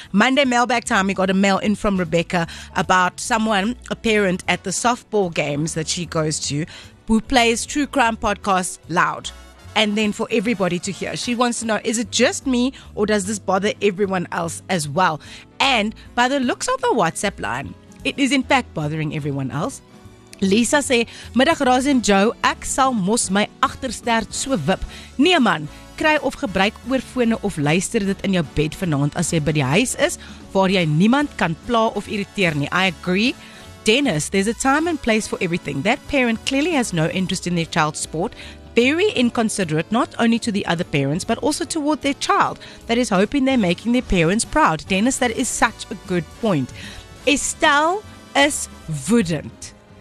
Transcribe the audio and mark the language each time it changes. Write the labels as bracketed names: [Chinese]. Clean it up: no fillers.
[English] Monday mailbag time, we got a mail in from Rebecca about someone, a parent at the softball games that she goes to, who plays true crime podcasts loud and then for everybody to hear. She wants to know, is it just me or does this bother everyone else as well? And by the looks of the WhatsApp line, it is in fact bothering everyone else. [Afrikaans] Lisa sê, "Middag Roz en Joe, ek sal mos my agterstert so wip. Nee man, kry of gebruik oorfone of luister dit in jou bed vanaand as jy by die huis is waar jy niemand kan pla of irriteer nie." [English] I agree. Dennis, "There's a time and place for everything. That parent clearly has no interest in their child's sport. Very inconsiderate, not only to the other parents, but also toward their child that is hoping they're making their parents proud." Dennis, that is such a good point. Estelle is woedend.